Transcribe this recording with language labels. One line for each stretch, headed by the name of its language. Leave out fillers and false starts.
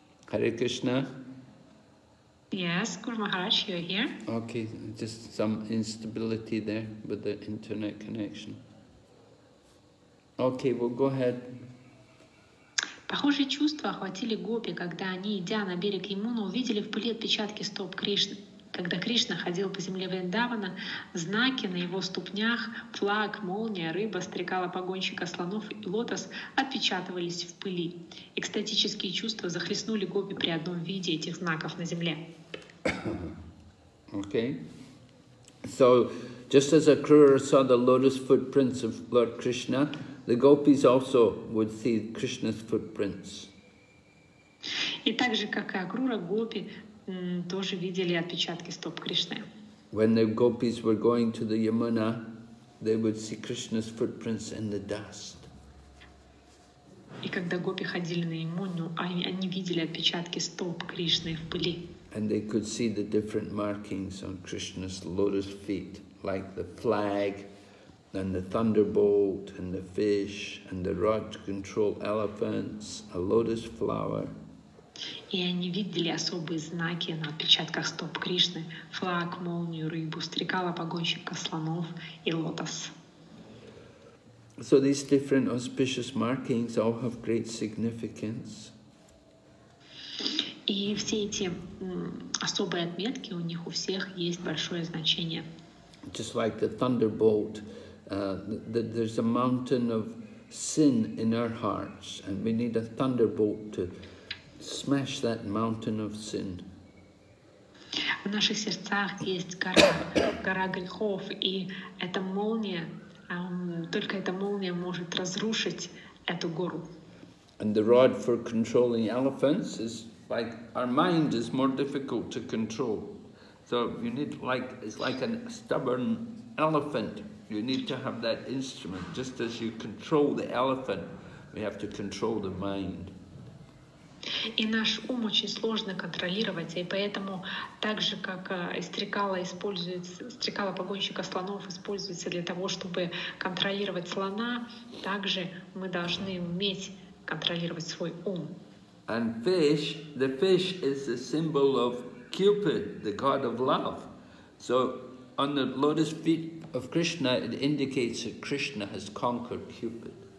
English: Hare Krishna? Yes, Guru Maharaj, you're here. Okay, just some instability there with the internet connection. Okay, well, go ahead.
Russian: Похожие чувства охватили гопи, когда они, идя на берег Ямуны, увидели в пыли отпечатки стоп Кришны. Когда Кришна ходил по земле Вриндавана, знаки на его ступнях, флаг, молния, рыба, стрекала погонщика слонов и лотос отпечатывались в пыли. Экстатические чувства захлестнули гопи при одном виде этих знаков на земле.
English: Okay. So, just as Akrura saw the lotus footprints of Lord Krishna, the gopis also would see Krishna's footprints.
Russian: И так же, как и Акрура, гопи тоже видели отпечатки стоп Кришны.
English: When the gopis were going to the Yamuna, they would see Krishna's footprints in the dust.
Russian: И когда гопи ходили на Ямуну, они видели отпечатки стоп Кришны в пыли.
English: And they could see the different markings on Krishna's lotus feet, like the flag, and the thunderbolt, and the fish, and the rod to control elephants, a lotus flower.
Russian: И они видели особые знаки на отпечатках стоп Кришны: флаг, молнию, рыбу, стрекала, погонщика, слонов и лотос.
English: So these different auspicious markings all have great significance.
Russian: И все эти особые отметки, у них у всех есть большое значение.
English: Just like the thunderbolt, there's a mountain of sin in our hearts, and we need a thunderbolt to smash that mountain of sin.
Russian: В наших сердцах есть гора грехов, и эта молния, только эта молния может разрушить эту гору.
English: And the rod for controlling elephants is like our mind is more difficult to control. So you need like, it's like a stubborn elephant. You need to have that instrument. Just as you control the elephant, we have to control the mind.
Russian: И наш ум очень сложно контролировать, и поэтому так же, как стрекала погонщика слонов используется для того, чтобы контролировать слона, также мы должны уметь контролировать свой ум.
English: And fish, the fish is the symbol of Cupid, the god of love. So on the lotus feet of Krishna, it indicates that Krishna has conquered Cupid.